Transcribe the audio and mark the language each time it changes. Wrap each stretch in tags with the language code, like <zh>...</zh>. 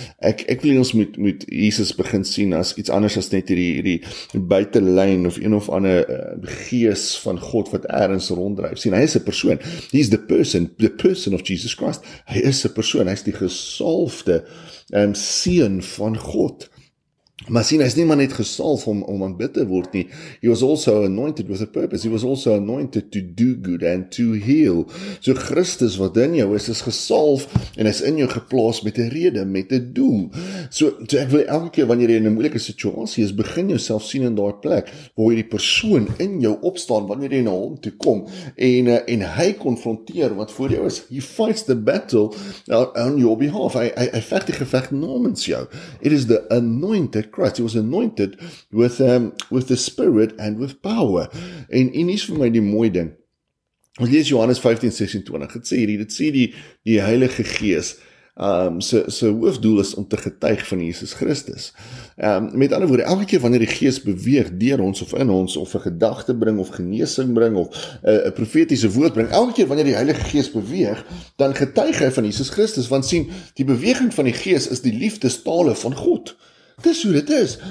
<af>Ek wil ons moet Jesus begin sien as iets anders as net hierdie buitelijn of een of ander gees van God wat ergens ronddryf. Sien, hy is 'n persoon.</af> <en>He is the person of Jesus Christ.</en> <af>Hy is 'n persoon, hy is die gesalfde seun van God. Maar sien, hy is nie maar net gesalf om aan bid te word nie.</af> <en>He was also anointed with a purpose. He was also anointed to do good and to heal.</en> <af>So Christus wat in jou is gesalf en is in jou geplaas met 'n rede, met 'n doel. So ek wil elke keer wanneer jy in 'n moeilike situasie is, begin jouself sien in daai plek waar hierdie persoon in jou opstaan wanneer jy na hom toe kom en hy konfronteer wat voor jou is. He fights the battle on your behalf. Hy vecht die gevecht namens jou. It is the anointed Christ, he was anointed with the spirit and with power. En is vir my die mooi ding, ons lees Johannes 15:26, het sê die Heilige Gees, sy hoofdoel is om te getuig van Jesus Christus. Met ander woorde, elke keer wanneer die Gees beweeg deur ons of in ons, of 'n gedagte bring, of geneesing bring, of 'n profetiese woord bring, elke keer wanneer die Heilige Gees beweeg, dan getuig hy van Jesus Christus, want sien, die beweging van die Gees is die liefdestale van God. Dis hoe dit is.</af>